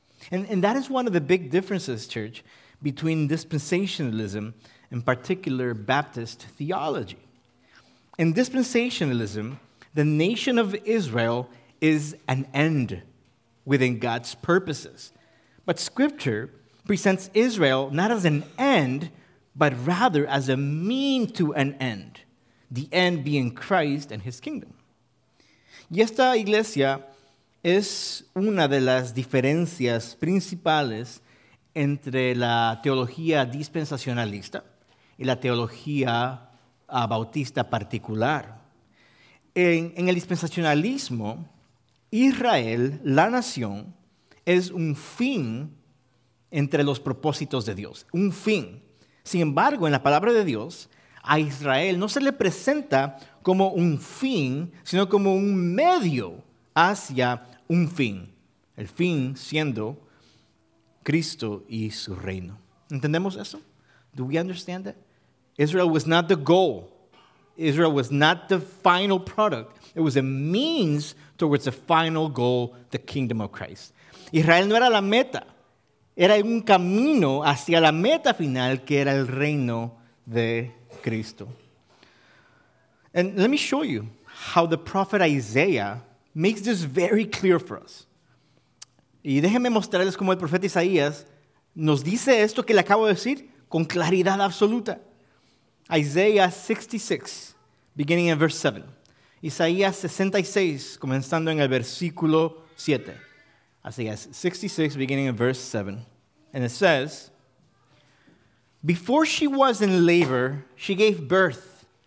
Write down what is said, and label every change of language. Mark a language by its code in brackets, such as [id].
[en] And that is one of the big differences, church, between dispensationalism and particular Baptist theology. In dispensationalism, the nation of Israel is an end within God's purposes. But Scripture presents Israel not as an end, but rather as a mean to an end, the end being Christ and his kingdom. [es] Y esta iglesia es una de las diferencias principales entre la teología dispensacionalista y la teología bautista particular. En el dispensacionalismo, Israel, la nación, es un fin entre los propósitos de Dios, un fin. Sin embargo, en la palabra de Dios, a Israel no se le presenta como un fin, sino como un medio hacia un fin. El fin siendo Cristo y su reino. ¿Entendemos eso? [en] Do we understand that? Israel was not the goal. Israel was not the final product. It was a means towards the final goal, the kingdom of Christ. [es] Israel no era la meta. Era un camino hacia la meta final que era el reino de Cristo. [en] And let me show you how the prophet Isaiah makes this very clear for us. [es] Y déjenme mostrarles cómo el profeta Isaías nos dice esto que le acabo de decir con claridad absoluta. [en] Isaiah 66, beginning in verse 7. [es] Isaías 66, comenzando en el versículo 7. [en] Isaiah 66, beginning in verse 7. And it says, before she was in labor, she gave birth.